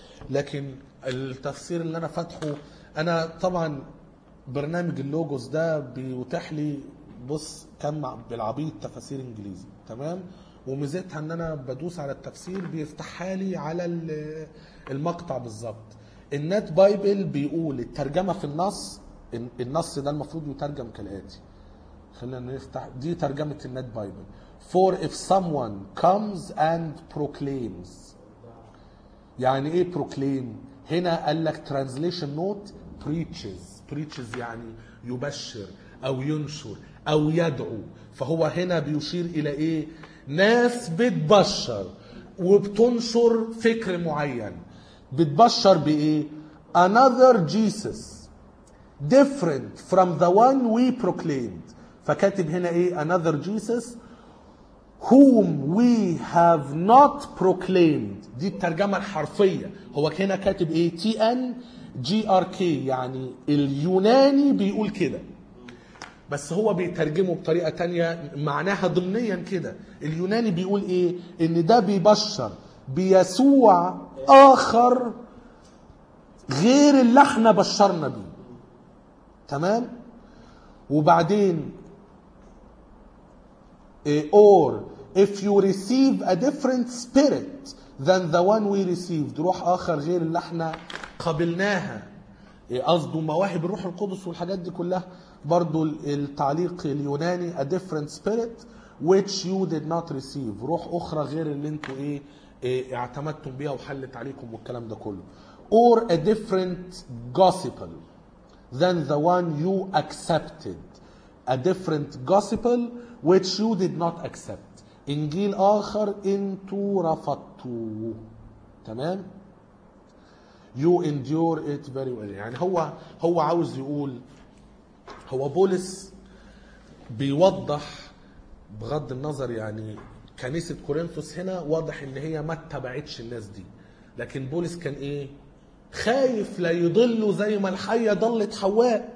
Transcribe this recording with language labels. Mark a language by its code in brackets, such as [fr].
[ar] لكن التفسير اللي انا فتحه، انا طبعا برنامج اللوجوس ده بيتاح لي بص كم بالعبيط تفاسير انجليزي. تمام؟ وميزتها ان انا بدوس على التفسير بيفتح لي على المقطع بالظبط. النت بايبل بيقول الترجمة في النص، النص ده المفروض يترجم كالآتي. خلينا نفتح دي ترجمة النت بايبل. [en] For if someone comes and proclaims. [ar] يعني ايه proclaim؟ هنا قال لك [en] translation note preaches. [ar] preaches يعني يبشر او ينشر او يدعو. فهو هنا بيشير الى ايه؟ ناس بتبشر وبتنشر فكر معين. بتبشر بايه؟ [en] another Jesus different from the one we proclaimed. [ar] فكاتب هنا ايه؟ [en] another Jesus whom we have not proclaimed. [ar] دي الترجمة الحرفية. هو هنا كاتب ايه؟ TNGRK، يعني اليوناني بيقول كده، بس هو بيترجمه بطريقة تانية معناها ضمنيا كده. اليوناني بيقول ايه؟ ان ده بيبشر بيسوع اخر غير اللي احنا بشرنا بيه. تمام؟ وبعدين [en] or if you receive a different spirit than the one we received. [ar] روح آخر غير اللي احنا قبلناها، قصده مواهب الروح القدس والحاجات دي كلها. برضو التعليق اليوناني [en] a different spirit which you did not receive. [ar] روح أخرى غير اللي انتوا ايه اعتمدتم بيها وحلت عليكم والكلام ده كله. [en] or a different gospel than the one you accepted. a different gospel which you did not accept. [ar] انجيل اخر انتو رفضتوه. تمام؟ [en] you endure it very well. [ar] يعني هو عاوز يقول، هو بولس بيوضح بغض النظر، يعني كنيسة كورنثوس هنا واضح ان هي ما اتبعتش الناس دي، لكن بولس كان ايه؟ خايف لا يضلوا زي ما الحية ضلت حواء.